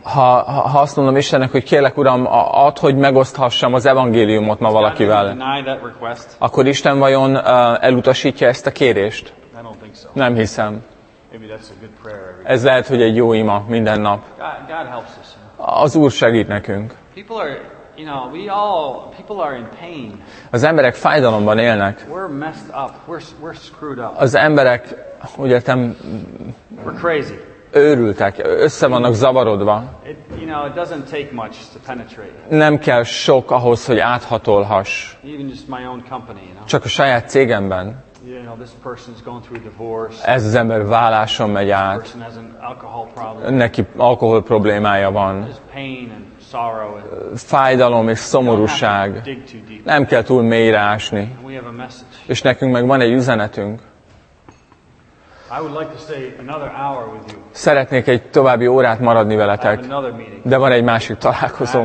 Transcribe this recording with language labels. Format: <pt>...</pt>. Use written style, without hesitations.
<hu>Ha azt mondom Istennek, hogy kérlek, Uram, add, hogy megoszthassam az evangéliumot ma valakivel, akkor Isten vajon elutasítja ezt a kérést?</hu> <en>I don't think so.</en> <hu>Nem hiszem.</hu> <en>Maybe that's a good prayer every day.</en> <hu>Ez lehet, hogy egy jó ima minden nap.</hu> <en>God helps us.</en> <hu>Az Úr segít nekünk.</hu> <en>People are, you know, people are in pain.</en> <hu>Az emberek fájdalomban élnek.</hu> <en>We're messed up. We're screwed up.</en> <hu>Az emberek, úgy értem,</hu> <en>we're crazy.</en> <hu>Őrültek, össze vannak zavarodva.</hu> <en>You know, it doesn't take much to penetrate.</en> <hu>Nem kell sok ahhoz, hogy áthatolhass.</hu> <en>Even just my own company, you know?</en> <hu>Csak a saját cégemben.</hu> <en>You know, this person's going through a divorce.</en> <hu>Ez az ember válláson megy át.</hu> <en>This person has an alcohol problem.</en> <hu>Neki alkohol problémája van.</hu> <en>There's pain and sorrow.</en> <hu>Fájdalom és szomorúság.</hu> <en>Don't have to dig too deep.</en> <hu>Nem kell túl mélyre ásni.</hu> <en>And we have a message.</en> <hu>És nekünk meg van egy üzenetünk.</hu> <en>I would like to stay another hour with you.</en> <hu>Szeretnék egy további órát maradni veletek.</hu> <en>I have another meeting.</en> <hu>De van egy másik találkozom.</hu>